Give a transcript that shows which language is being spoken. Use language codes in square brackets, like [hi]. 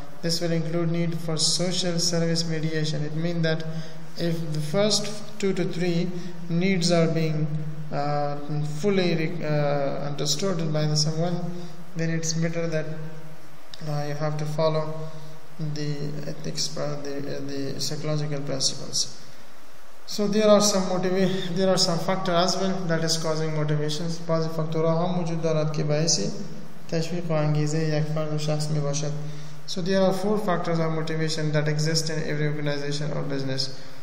[en] This will include need for social service mediation. It means that if the first 2 to 3 needs are being fully understood by the someone, then it's better that you have to follow the ethics, the psychological principles. So there are some factors as well that is causing motivations. [fa] بعضی فاکتورها هم وجود دارد که باعث تشویق و انگیزه یک فرد و شخص می باشد. [en] So there are 4 factors of motivation that exist in every organization or business.